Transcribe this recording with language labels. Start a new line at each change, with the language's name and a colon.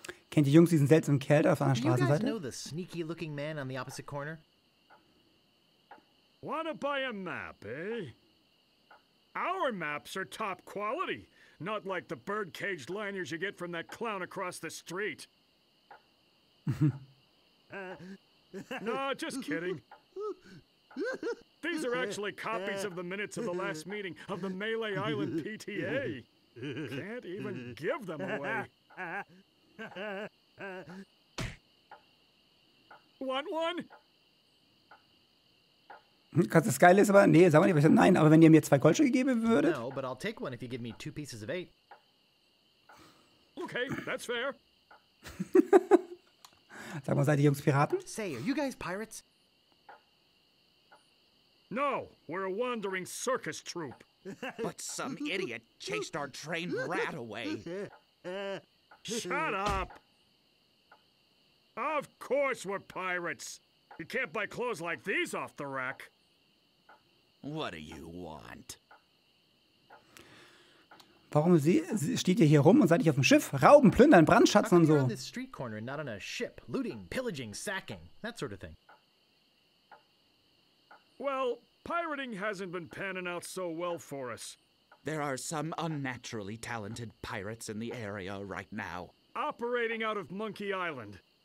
German: Kennt ihr Jungs diesen seltsamen Kerl da auf einer Straßenseite?
English: Do you guys know the sneaky looking man on the opposite corner? Wanna buy a map, eh? Our maps are top quality. Not like the birdcage liners you get from that clown across the street. No, just kidding. These are actually copies of the minutes of the last meeting of the Mêlée Island PTA. Can't even give them away. Want one?
German: Kannst du das Geile ist aber, nee, sag mal nicht, nein, aber wenn ihr mir zwei Goldstücke geben würdet.
English: No, but I'll take one if you give me two pieces of 8. Okay, that's fair.
German: Sag mal, seid ihr Jungs Piraten?
English: Say, are you guys pirates? No, we're a wandering circus troupe. But some idiot chased our trained rat away. Shut up! Of course we're pirates. You can't buy clothes like these off the rack. What do you want?
German: Warum steht ihr hier rum und seid nicht auf dem Schiff? Rauben, plündern, brandschatzen und so.
English: How come you're on this street corner and not on a ship? Looting, pillaging, sacking, that sort of thing. Well, pirating hasn't been panning out so well for us. There are some unnaturally talented pirates in the area right now. Operating out of Monkey Island.